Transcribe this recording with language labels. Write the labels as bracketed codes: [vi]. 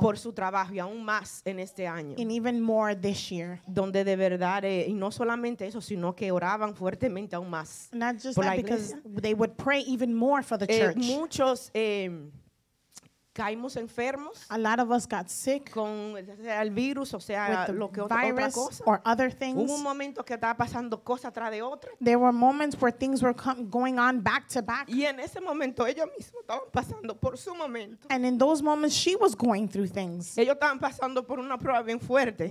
[es] por su trabajo y aún más en este año. [en] And even more this year. [es] Donde de verdad, y no solamente eso, sino que oraban fuertemente aún más. [en] Not just that, because they would pray even more for the church. [es] Muchos caímos enfermos. [en] A lot of us got sick [es] con el virus, o sea, lo que [en] virus [es] otra cosa. [en] Or other things. [es] Hubo un momento que estaba pasando cosas tras de otra. [en] There were moments where things were going on back to back. [es] Y en ese momento ellos mismos estaban pasando por su momento. [en] And in those moments she was going through things. [es] Ellos estaban pasando por una prueba bien fuerte.